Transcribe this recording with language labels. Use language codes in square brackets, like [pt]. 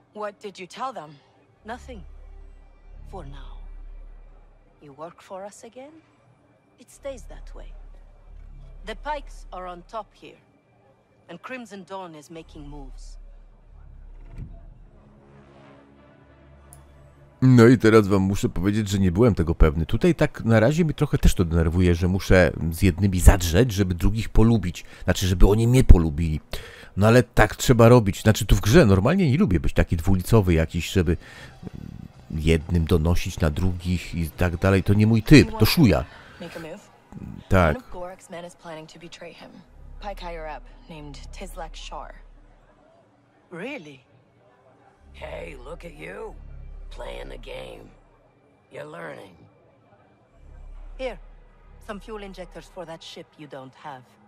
[en] What did you tell them? Nothing. For now. You work for us again? It stays that way. The pikes are on top here, and Crimson Dawn is making moves. [pl] No i teraz wam muszę powiedzieć, że nie byłem tego pewny. Tutaj tak na razie mi trochę też to denerwuje, że muszę z jednymi zadrzeć, żeby drugich polubić. Znaczy, żeby oni mnie polubili. No ale tak trzeba robić. Znaczy, tu w grze normalnie nie lubię być taki dwulicowy jakiś, żeby jednym donosić na drugich i tak dalej. To nie mój typ, to szuja. Tak. [en] One of Gorak's men is planning to betray him. Pike higher up, named Tislek Shar. Really? Hey, look at you. Playing the game. You're learning. Here, some fuel injectors for that ship you don't have.